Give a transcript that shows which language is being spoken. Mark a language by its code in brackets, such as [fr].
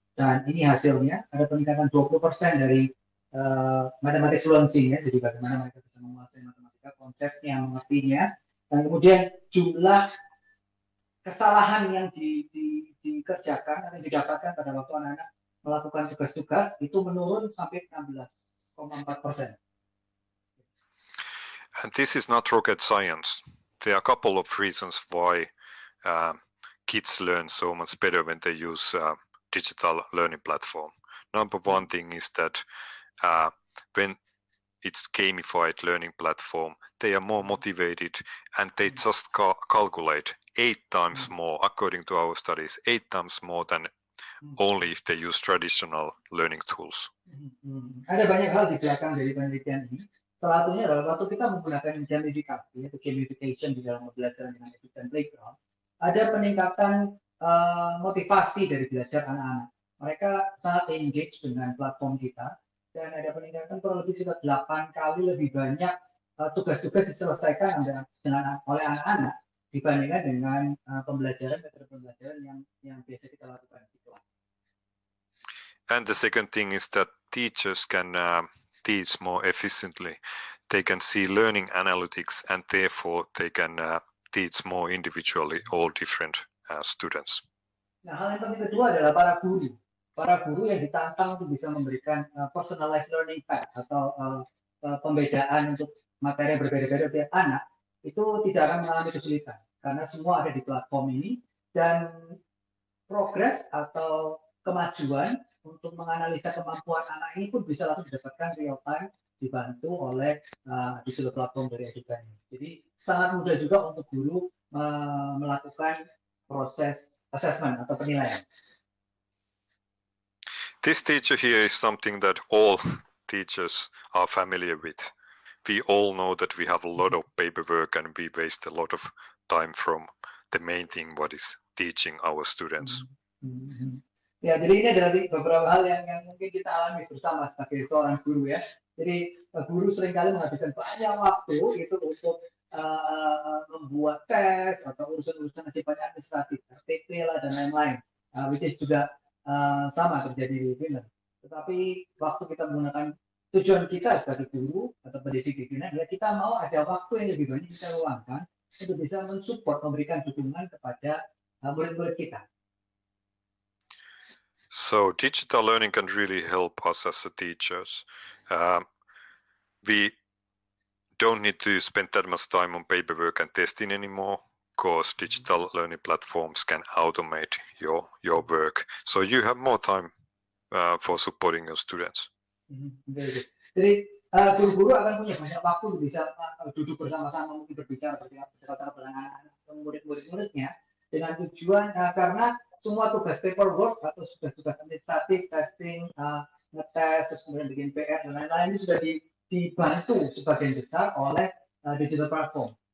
[id] Dan ini hasilnya, ada peningkatan 20% dari matematik fluency-nya, jadi bagaimana mereka bisa menguasai matematika, konsepnya, mengertinya. Dan kemudian jumlah kesalahan yang dikerjakan atau didapatkan pada waktu anak-anak melakukan tugas-tugas itu menurun sampai 16.4%. [en] And this is not rocket science. There are a couple of reasons why kids learn so much better when they use digital learning platform. Number one thing is that when it's gamified learning platform, they are more motivated and they just calculate 8 times more, according to our studies, 8 times more than only if they use traditional learning tools. [id] Ada banyak hal di belakang dari penelitian ini. Salah satunya adalah waktu kita menggunakan gamification, yaitu gamification di dalam pembelajaran dengan EDUTEN Playground, ada peningkatan motivasi dari belajar anak-anak. Mereka sangat engage dengan platform kita, dan ada peningkatan kurang lebih sekitar 8 kali lebih banyak tugas-tugas diselesaikan oleh anak-anak dibandingkan dengan pembelajaran yang biasa kita lakukan. [en] And the second thing is that teachers can teach more efficiently. They can see learning analytics and therefore they can teach more individually all different students. [id] Nah, hal yang penting kedua adalah para guru. Para guru yang ditantang untuk bisa memberikan [en] personalized learning path [id] atau pembedaan untuk materi berbeda-beda tiap anak itu tidak akan mengalami kesulitan karena semua ada di platform ini dan progres atau kemajuan untuk menganalisa kemampuan anak ini pun bisa langsung didapatkan real time dibantu oleh digital platform dari EDUTEN. Jadi sangat mudah juga untuk guru melakukan proses assessment atau penilaian. [en] This teacher here is something that all teachers are familiar with. We all know that we have a lot of paperwork and we waste a lot of time from the main thing, what is teaching our students. Mm-hmm. [id] Ya, jadi ini adalah beberapa hal yang mungkin kita alami bersama sebagai seorang guru ya. Jadi guru seringkali menghabiskan banyak waktu itu untuk membuat tes atau urusan-urusan sifatnya administratif, RTP lah dan lain-lain, [en] which is [id] juga sama terjadi di Finland. Tetapi waktu kita menggunakan tujuan kita sebagai guru atau pendidik di Finland adalah kita mau ada waktu yang lebih banyak kita luangkan untuk bisa mensupport, memberikan dukungan kepada murid-murid kita. [en] So digital learning can really help us as a teachers. We don't need to spend that much time on paperwork and testing anymore, because digital learning platforms can automate your work. So you have more time for supporting your students. [id] Jadi guru-guru akan punya banyak waktu bisa duduk bersama-sama, mungkin berbicara bercakap-cakap dengan murid-muridnya dengan tujuan karena semua tugas paperwork atau tugas-tugas administratif, testing, ngetes, terus kemudian bikin PR dan lain-lain itu sudah dibantu sebagian besar oleh digital platform.